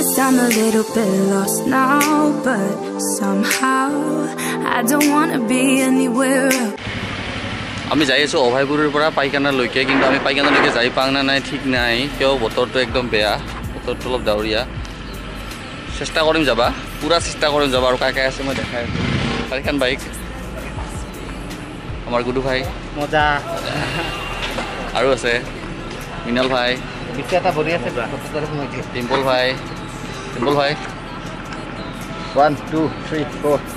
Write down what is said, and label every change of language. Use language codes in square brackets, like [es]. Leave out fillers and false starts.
[en] I'm a little bit lost now, but somehow I don't want to be anywhere. [as] আমি যাই আছোঁ অভয়পুরীর পৰা পাইকানালৈকে, কিন্তু আমি পাইকানালৈকে যাই পাওঁ না নাই ঠিক নাই, কিয় বতৰটো একদম বেয়া, বতৰটো অলপ ডাৱৰীয়া। চেষ্টা কৰিম যাবা, পুৰা চেষ্টা কৰিম যাবা। আৰু কাই কাই আছে মই দেখাই আছোঁ, চাৰিখন বাইক আমাৰ গুডু ভাই মজা, আৰু আছে মিনাল ভাই, বেছি এটা ভৰি আছে টিম্পল ভাই, টিম্পল ভাই [en] one two three four,